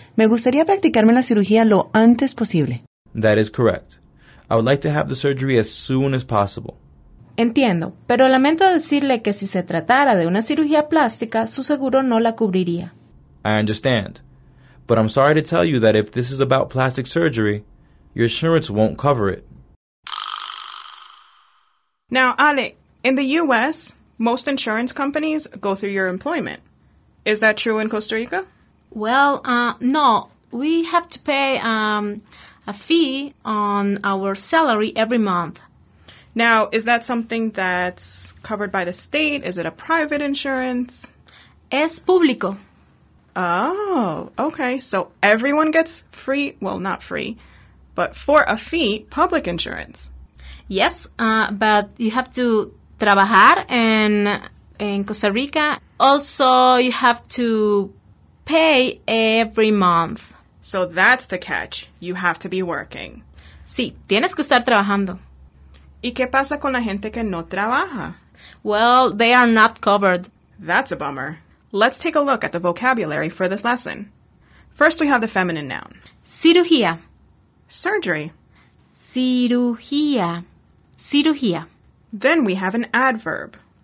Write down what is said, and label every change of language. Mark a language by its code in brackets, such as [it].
[es] Me gustaría practicarme la cirugía lo antes posible. [en] That is correct. I would like to have the surgery as soon as possible. [es] Entiendo, pero lamento decirle que si se tratara de una cirugía plástica, su seguro no la cubriría. [en] I understand. But I'm sorry to tell you that if this is about plastic surgery, your insurance won't cover it. Now, Ale, in the U.S., most insurance companies go through your employment. Is that true in Costa Rica? Well, no. We have to pay a fee on our salary every month. Now, is that something that's covered by the state? Is it a private insurance? [es] Es público. [en] Oh, okay. So everyone gets free, well, not free, but for a fee, public insurance. Yes, but you have to trabajar in Costa Rica. Also, you have to pay every month. So that's the catch. You have to be working. [es] Sí, tienes que estar trabajando. ¿Y qué pasa con la gente que no trabaja? [en] Well, they are not covered. That's a bummer. Let's take a look at the vocabulary for this lesson. First, we have the feminine noun. [es] Cirugía. [en] Surgery. [es] Cirugía. Cirugía. [en] Then we have an adverb.